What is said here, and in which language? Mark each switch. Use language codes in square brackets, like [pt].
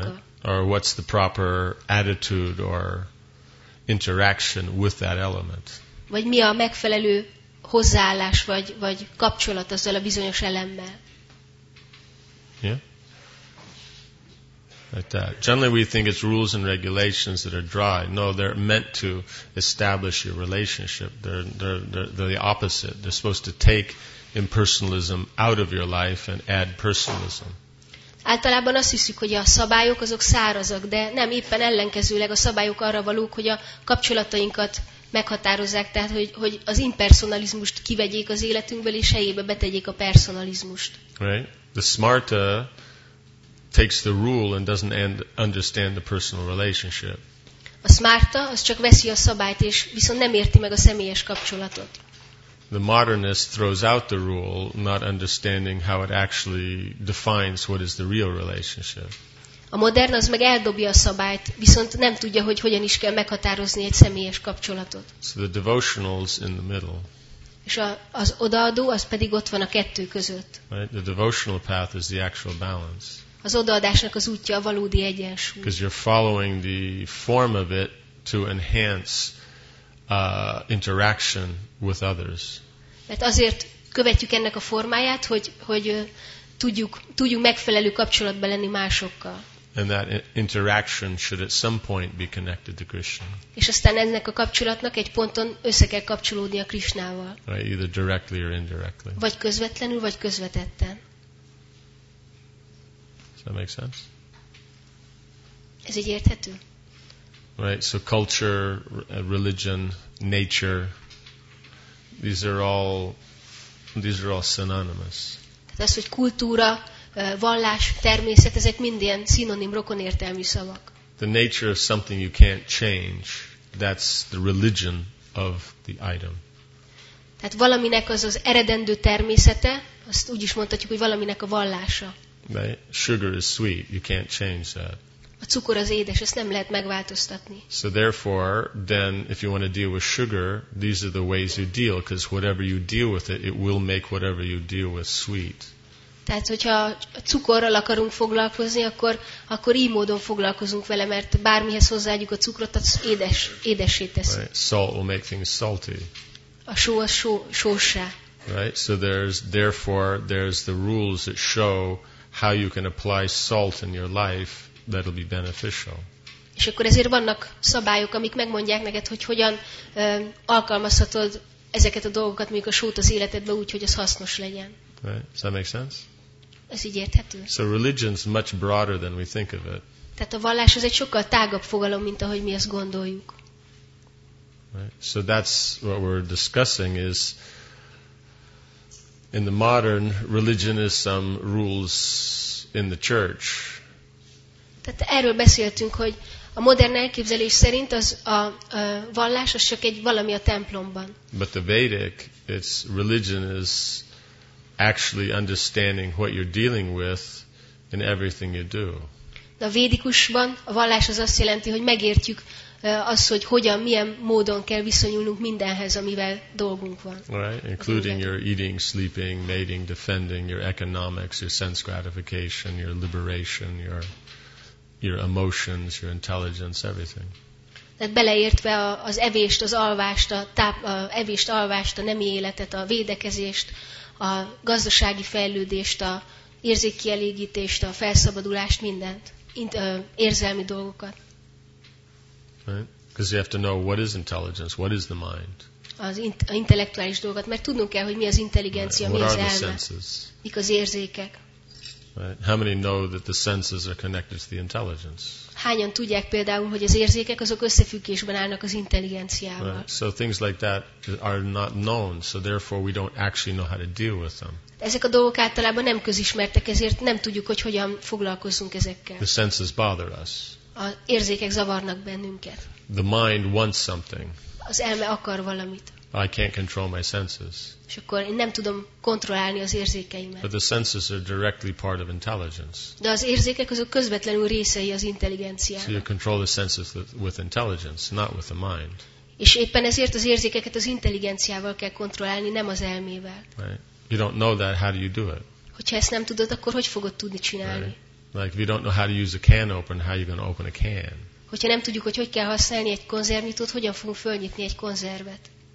[en] Right. Or what's the proper attitude or interaction with that element. [hu] Vagy mi a megfelelő hozzáállás, vagy kapcsolat azzal a bizonyos elemmel. [en] Yeah. Like that. Generally we think it's rules and regulations that are dry. No, they're meant to establish your relationship. They're the opposite. They're supposed to take impersonalism out of your life and add personalism. [hu] Általában azt hiszük, hogy a szabályok azok szárazak, de nem, éppen ellenkezőleg a szabályok arra valók, hogy a kapcsolatainkat meghatározzák, tehát hogy az impersonalizmust kivegyék az életünkből és helyébe betegyék a personalizmust. [en] Right. The smarter takes the rule and doesn't understand the personal relationship. [hu] A smarta az csak veszi a szabályt és viszont nem érti meg a személyes kapcsolatot. [en] The modernist throws out the rule, not understanding how it actually defines what is the real relationship. [hu] A modern az meg eldobja a szabályt, viszont nem tudja, hogy hogyan is kell meghatározni egy személyes kapcsolatot. [en] So the devotional's in the middle. [hu] És az odaadó, az pedig ott van a kettő között. [en] Right? The devotional path is the actual balance. [hu] Az odaadásnak az útja a valódi egyensúly. [en] Because you're following the form of it to enhance interaction with others. [hu] Mert azért követjük ennek a formáját, hogy tudjuk megfelelő kapcsolatban lenni másokkal. [en] And that interaction should at some point be connected to Krishna. [hu] És aztán ennek a kapcsolatnak egy ponton össze kell kapcsolódnia Krishnával. [en] Right, either directly or indirectly. [hu] Vagy közvetlenül, vagy közvetetten. [en] Does that make sense? [hu] Ez így érthető? [en] Right, so culture, religion, nature, these are all synonymous. [hu] Tehát az, hogy kultúra, vallás, természet, ezek mind ilyen szinonim, rokon értelmű szavak. [en] The nature of something you can't change, that's the religion of the item. [hu] Tehát valaminek az eredendő természete, azt úgy is mondhatjuk, hogy valaminek a vallása. [en] Right? Sugar is sweet, you can't change that. [hu] A cukor az édes, ezt nem lehet megváltoztatni. [en] So therefore, then if you want to deal with sugar, these are the ways you deal, because whatever you deal with it, it will make whatever you deal with sweet. [hu] Tehát, hogyha a cukorral akarunk foglalkozni, akkor így módon foglalkozunk vele, mert bármihez hozzáadjuk a cukrot, az édessé tesz. [en] Right. Salt will make things salty. [hu] A só az sósá. [en] Right? So therefore there's the rules that show how you can apply salt in your life. That'll be beneficial. [hu] És akkor ezért vannak szabályok, amik megmondják neked, hogy hogyan alkalmazhatod ezeket a dolgokat, mondjuk a sót az életedbe úgy, hogy az hasznos legyen. [en] Right. Does that make sense? [hu] Ez így érthető. [en] So religion's much broader than we think of it. [hu] Tehát a vallás az egy sokkal tágabb fogalom, mint ahogy mi azt gondoljuk. [en] Right. So that's what we're discussing is in the modern religion is some rules in the church. [hu] Tehát erről beszéltünk, hogy a modern elképzelés szerint az a vallás az csak egy valami a templomban. [en] But the Vedic, its religion is actually understanding what you're dealing with in everything you do. [hu] De a védikusban a vallás az azt jelenti, hogy megértjük azt, hogy hogyan, milyen módon kell viszonyulnunk mindenhez, amivel dolgunk van. [en] Right, including your eating, sleeping, mating, defending, your economics, your sense gratification, your liberation, your emotions, your intelligence, everything. [hu] Tehát beleértve az evést, az alvást, a nemi életet, a védekezést, a gazdasági fejlődést, a érzékkielégítést, a felszabadulást, mindent, érzelmi dolgokat. [en] Right? Because you have to know what is intelligence, what is the mind. [hu] Az intellektuális dolgokat, mert tudnunk kell, hogy mi az intelligencia, [en] right. [hu] Mi az elme. [en] What are the senses? [hu] Mik az érzékek? [en] Right. How many know that the senses are connected to the intelligence? [hu] Hányan tudják például, hogy az érzékek azok összefüggésben állnak az intelligenciával? [en] Right. So things like that are not known, so therefore we don't actually know how to deal with them. [hu] Ezek a dolgok általában nem közismertek, ezért nem tudjuk, hogy hogyan foglalkozzunk ezekkel. [en] The senses bother us. [hu] Az érzékek zavarnak bennünket. [en] The mind wants something. [hu] Az elme akar valamit. [en] I can't control my senses. [hu] És akkor én nem tudom kontrollálni az érzékeimet. [en] But the senses are directly part of intelligence. [hu] De az érzékek azok közvetlenül részei az intelligenciának. [en] So you control the senses with intelligence, not with the mind. [hu] És éppen ezért az érzékeket az intelligenciával kell kontrollálni, nem az elmével. [en] Right. You don't know that, how do you do it? [hu] Hogyha ezt nem tudod, akkor hogy fogod tudni csinálni? [en] Right. Like if you don't know how to use a can opener, how are you going to open a can? [hu] Hogyha nem tudjuk, hogy kell használni egy konzervnyitót, hogyan fogunk fölnyitni egy konzervet?